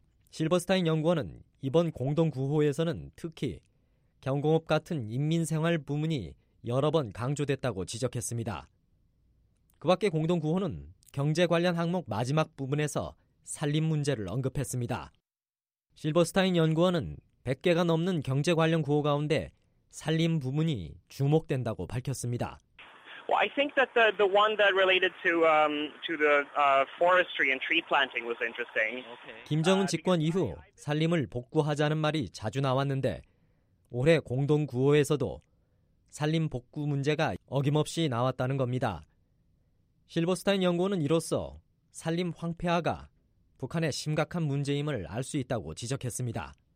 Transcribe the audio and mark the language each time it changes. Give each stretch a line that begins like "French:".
Korean: 실버스타인 연구원은 이번 공동구호에서는 특히 경공업 같은 인민생활 부문이 여러 번 강조됐다고 지적했습니다. 그 밖에 공동구호는 경제 관련 항목 마지막 부분에서 산림 문제를 언급했습니다. 실버스타인 연구원은 100개가 넘는 경제 관련 구호 가운데 산림 부문이 주목된다고 밝혔습니다.
English: Well, I think that the one that related to the forestry and tree planting was interesting.
Korean: 김정은 집권 이후 산림을 복구하자는 말이 자주 나왔는데 올해 공동 구호에서도 산림 복구 문제가 어김없이 나왔다는 겁니다. 실버스타인 연구원은 이로써 산림 황폐화가 북한의 심각한 문제임을 알 수 있다고 지적했습니다.